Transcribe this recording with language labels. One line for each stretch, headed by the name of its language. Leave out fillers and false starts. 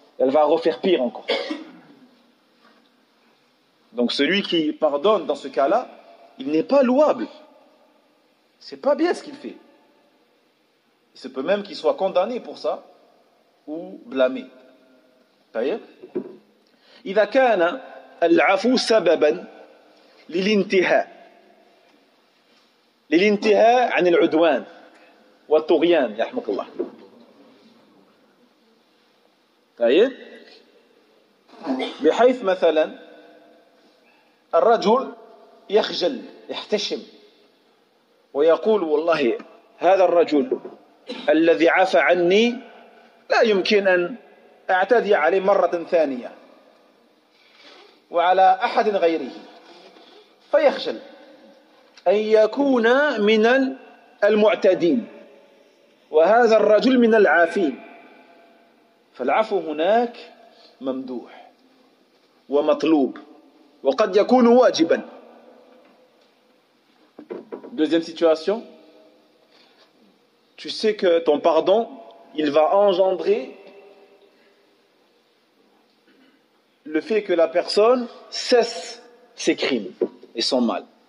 French: Elle va refaire pire encore. Donc celui qui pardonne dans ce cas-là, il n'est pas louable. Ce n'est pas bien ce qu'il fait. Il se peut même qu'il soit condamné pour ça ou blâmé.
Arabic: إذا كان العفو سببا للانتهاء للانتهاء عن العدوان والطغيان يحمك الله طيب بحيث مثلا الرجل يخجل يحتشم ويقول والله هذا الرجل الذي عفى عني لا يمكن أن اعتدي عليه مرة ثانية وعلى أحد غيره فيخجل أن يكون من المعتدين وهذا الرجل من العافين فالعفو هناك ممدوح ومطلوب وقد يكون واجبا.
French: Deuxième situation, tu sais que ton pardon il va engendrer le fait que la personne cesse ses crimes et son mal.